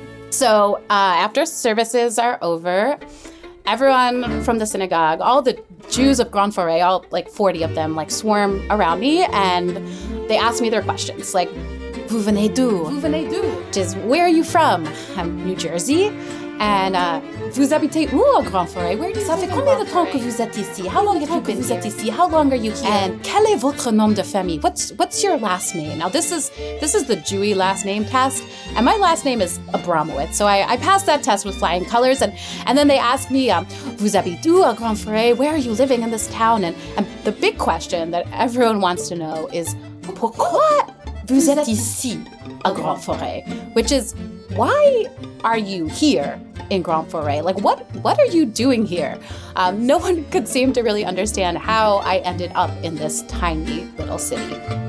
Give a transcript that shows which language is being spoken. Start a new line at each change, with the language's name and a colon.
English: So after services are over, everyone from the synagogue, all the Jews of Grand Forêt, all like 40 of them, like swarm around me, and they ask me their questions, like,
French: vous venez d'où? Vous venez d'où?
English: Which is, where are you from? I'm New Jersey.
French: And vous habitez où au Grand Forêt?
English: Where do you live?
French: Combien de temps que vous êtes ici?
English: How long have you been
French: vous êtes ici?
English: How long are you here?
French: And quel est votre nom de famille?
English: What's your last name? Now this is the Jewy last name test, and my last name is Abramowitz. So I passed that test with flying colors. And then they asked me,
French: vous habitez où au Grand Forêt?
English: Where are you living in this town? And the big question that everyone wants to know is,
French: pourquoi vous êtes ici au Grand Forêt?
English: Which is, why are you here in Grand Forêt? Like, what are you doing here? No one could seem to really understand how I ended up in this tiny little city.